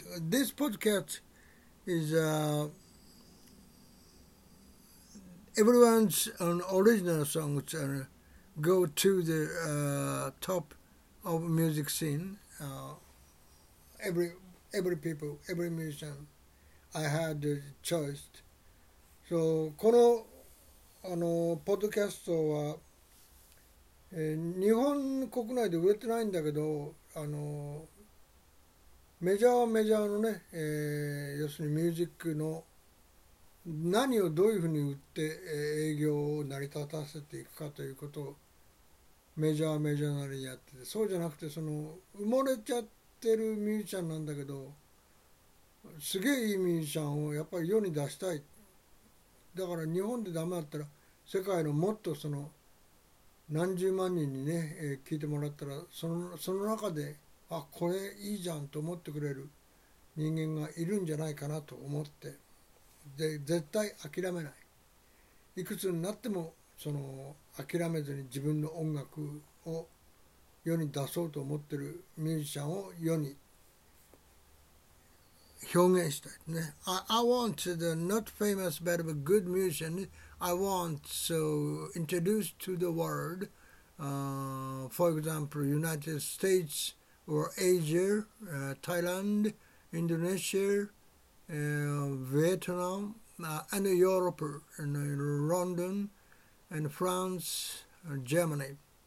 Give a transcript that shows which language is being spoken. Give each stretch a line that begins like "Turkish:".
English: This podcast is everyone's original songs go to the top of music scene. Every people, every musician I had the choice.
Japanese: So このポッドキャストは日本国内で売れてないんだけど、メジャーはメジャーのね、要するにミュージックの何をどういうふうに売って営業を成り立たせていくかということをメジャーはメジャーなりにやってて、そうじゃなくて、その埋もれちゃってるミュージシャンなんだけど、すげえいいミュージシャンをやっぱり世に出したい。だから日本でダメだったら世界のもっとその何十万人にね、聞いてもらったら、その中で、あ、これいいじゃんと思ってくれる人間がいるんじゃないかなと思って、で絶対諦めない、いくつになってもその諦めずに自分の音楽を世に出そうと思ってるミュージシャンを世に表現したいね。
English: I want the not famous but a good musician I want so introduced to the world, for example, United States or Asia, Thailand, Indonesia, Vietnam, and Europe, and London, and France, Germany.